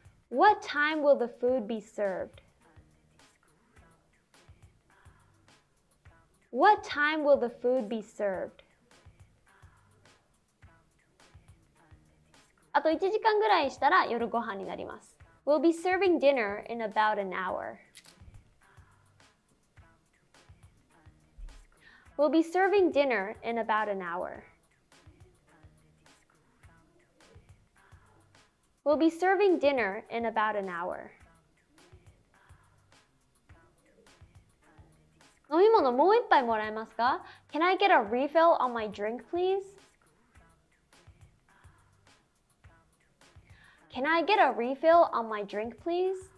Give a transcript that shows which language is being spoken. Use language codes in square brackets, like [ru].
[en] What time will the food be served? What time will the food be served? [ja] あと1時間ぐらいしたら夜ご飯になります。 [en] We'll be serving dinner in about an hour. We'll be serving dinner in about an hour. We'll be serving dinner in about an hour. [ja] 飲み物もう一杯もらえますか? [en] Can I get a refill on my drink, please? Can I get a refill on my drink, please?